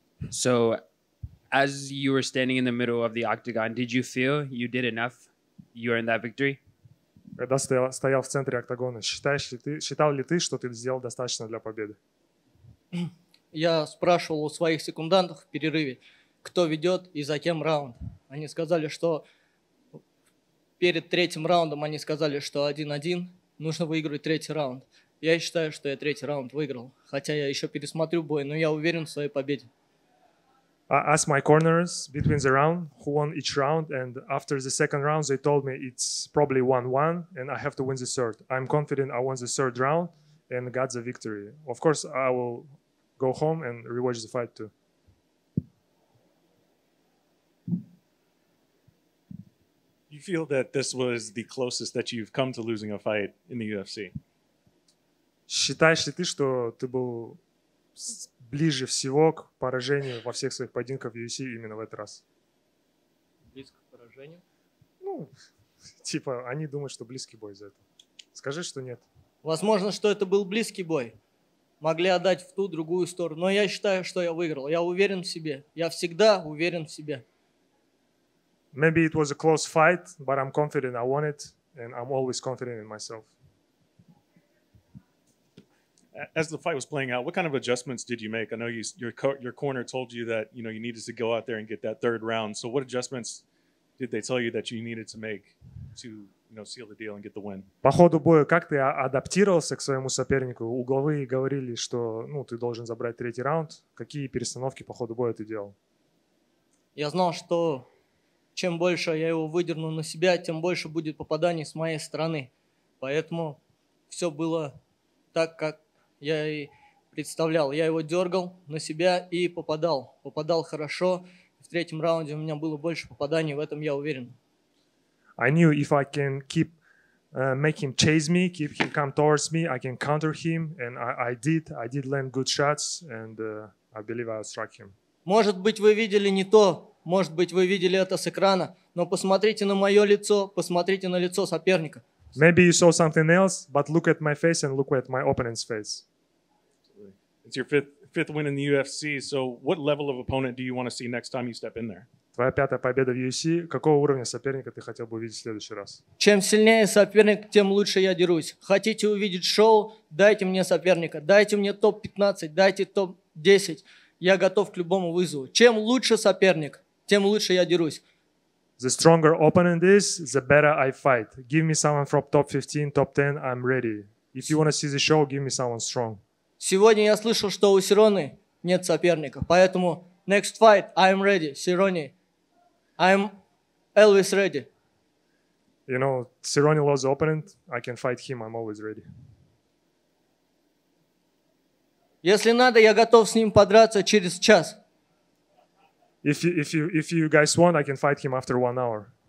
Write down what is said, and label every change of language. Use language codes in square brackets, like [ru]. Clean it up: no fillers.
[en] So as you were standing in the middle of the octagon, did you feel you did enough? You earned that victory? [ru] Когда стоял в центре октагона, считал ли ты, что ты сделал достаточно для победы? Я спрашивал у своих секундантов в перерыве, кто ведет и за кем раунд. Они сказали, что перед третьим раундом они сказали, что 1-1, нужно выиграть третий раунд. Я считаю, что я третий раунд выиграл, хотя я еще пересмотрю бой, но я уверен в своей победе. [en] I asked my corners between the round who won each round, and after the second round, they told me it's probably 1-1, and I have to win the third. I'm confident I won the third round and got the victory. Of course, I will go home and rewatch the fight too. You feel that this was the closest that you've come to losing a fight in the UFC? [ru] Считаешь ли ты, что ты был ближе всего к поражению во всех своих поединках в UFC именно в этот раз? Близко к поражению? Ну, типа, они думают, что близкий бой за это. Скажи, что нет. Возможно, что это был близкий бой. Могли отдать в ту, другую сторону. Но я считаю, что я выиграл. Я уверен в себе. Я всегда уверен в себе. [en] Maybe it was a close fight, but I'm confident I won it, and I'm always confident in myself. As the fight was playing out, what kind of adjustments did you make? I know your corner told you that, you know, you needed to go out there and get that third round. So what adjustments did they tell you that you needed to make to, you know, seal the deal and get the win? [ru] По ходу боя как ты адаптировался к своему сопернику? Угловые говорили, что, ну, ты должен забрать третий раунд. Какие перестановки по ходу боя ты делал? Я знал, что чем больше я его выдерну на себя, тем больше будет попаданий с моей стороны. Поэтому все было так, как я и представлял. Я его дергал на себя и попадал. Попадал хорошо. В третьем раунде у меня было больше попаданий, в этом я уверен. [en] I knew if I can keep make him chase me, keep him come towards me, I can counter him, and I did. I did land good shots, and I believe I struck him. [ru] Может быть, вы видели не то. Может быть, вы видели это с экрана. Но посмотрите на мое лицо, посмотрите на лицо соперника. [en] Maybe you saw something else, but look at my face and look at my opponent's face. It's your fifth win in the UFC. So, what level of opponent do you want to see next time you step in there? [ru] Твоя пятая победа в UFC. Какого уровня соперника ты хотел бы увидеть в следующий раз? Чем сильнее соперник, тем лучше я дерусь. Хотите увидеть шоу? Дайте мне соперника. Дайте мне топ-15. Дайте топ-10. Я готов к любому вызову. Чем лучше соперник, тем лучше я дерусь. [en] The stronger opponent is, the better I fight. Give me someone from top 15, top 10, I'm ready. If you want to see the show, give me someone strong. [ru] Сегодня я слышал, что у Сироны нет соперника, поэтому [en] next fight, I'm ready, [ru] Сироне. [en] I'm always ready. You know, Сироне lost the opponent, I can fight him, I'm always ready. [ru] Если надо, я готов с ним подраться через час. [en] If you guys want, I can fight him after 1 hour.